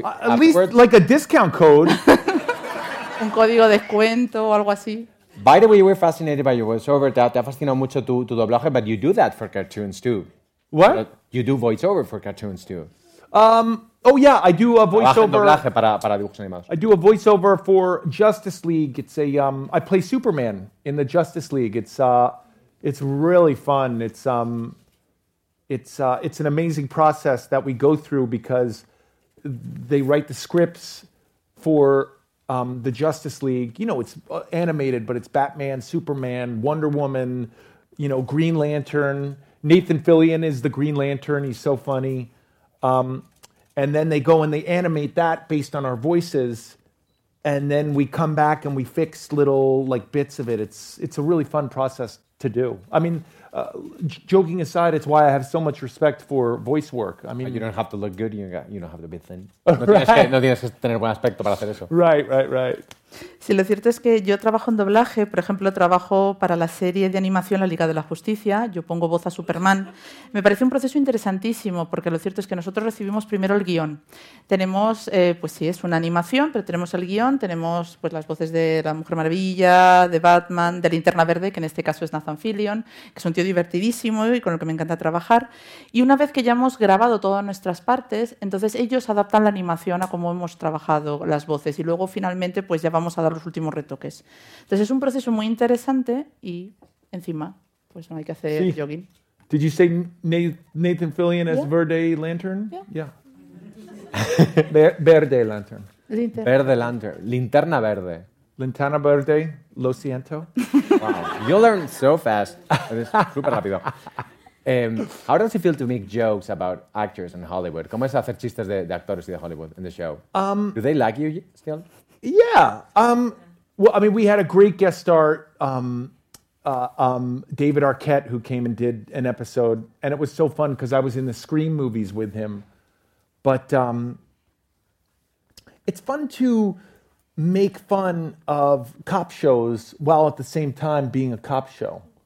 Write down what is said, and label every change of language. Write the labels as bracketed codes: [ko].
[en] At least like a discount code. [es] Un código de descuento o algo así. [en] By the way, you were fascinated by your voiceover. [es] Te ha fascinado mucho tu doblaje, [en] but you do that for cartoons too. What? You do voiceover for cartoons too. Oh yeah, I do a voiceover. [es] Doblaje para dibujos animados. [en] I do a voiceover for Justice League. It's a I play Superman in the Justice League. It's really fun. It's an amazing process that we go through because they write the scripts for the Justice League. You know, it's animated, but it's Batman, Superman, Wonder Woman, you know, Green Lantern. Nathan Fillion is the Green Lantern. He's so funny. And then they go and they animate that based on our voices. And then we come back and we fix little, like, bits of it. It's a really fun process to do. I mean, joking aside, it's why I have so much respect for voice work. I mean, you don't have to look good, you don't have to be thin. [es] No tienes que tener buen aspecto para hacer eso. [en] Right. [es] Sí, lo cierto es que yo trabajo en doblaje, por ejemplo, trabajo para la serie de animación La Liga de la Justicia, yo pongo voz a Superman. Me parece un proceso interesantísimo, porque lo cierto es que nosotros recibimos primero el guión. Tenemos, pues sí, es una animación, pero tenemos el guión, tenemos pues las voces de La Mujer Maravilla, de Batman, de Linterna Verde, que en este caso es Nathan Fillion, que es un tío divertidísimo y con el que me encanta trabajar. Y una vez que ya hemos grabado todas nuestras partes, entonces ellos adaptan la animación a cómo hemos trabajado las voces y luego finalmente pues ya vamos a dar los últimos retoques. Entonces es un proceso muy interesante y encima pues no hay que hacer jogging. [en] Did you say Nathan Fillion as Verde Lantern? Yeah. Verde Lantern. [es] Verde Lantern. Linterna Verde. Lintana Verde, lo siento. [en] Wow, you learn so fast. [es] Es súper rápido. [en] How does it feel to make jokes about actors in Hollywood? [es] ¿Cómo es hacer chistes de actores y de Hollywood [en] in the show? Do they like you still? Yeah. Well, I mean, we had a great guest star, David Arquette, who came and did an episode, and it was so fun because I was in the Scream movies with him. But it's fun to make fun of cop shows while at the same time being a cop show.